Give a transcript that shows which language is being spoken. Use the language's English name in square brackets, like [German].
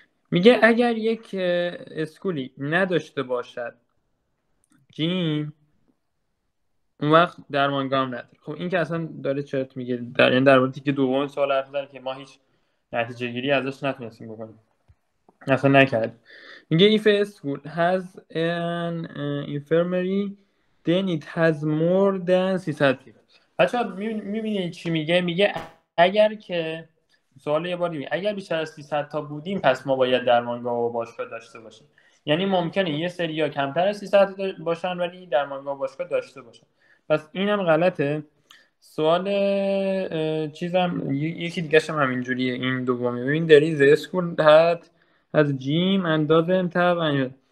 [Persian] میگه اگر یک اسکولی نداشته باشد جیم، اون وقت درمانگاه هم نداره. خب این که اصلا داره چرت میگه، در یعنی در وقتی که دوم سوال حرف زده که ما هیچ نتیجه گیری ازش نتونستیم بکنیم، اصلا نکرد. میگه [English] if a school has an infirmary then it has more than 300 people. [Persian] بچه ها میبینید چی میگه؟ میگه اگر که سوال یه بار دیگه، اگر بیشتر از 300 تا بودیم پس ما باید درمانگاه و باشگاه داشته باشیم، یعنی ممکنه یه سری ها کمتر از 300 باشن ولی درمانگاه و باشگاه داشته باشن. پس اینم غلطه. سوال چیزم یکی دیگه شم همین جوریه، این دومی ببین داری زی اسکول هات از جیم اندازم تا بنجا.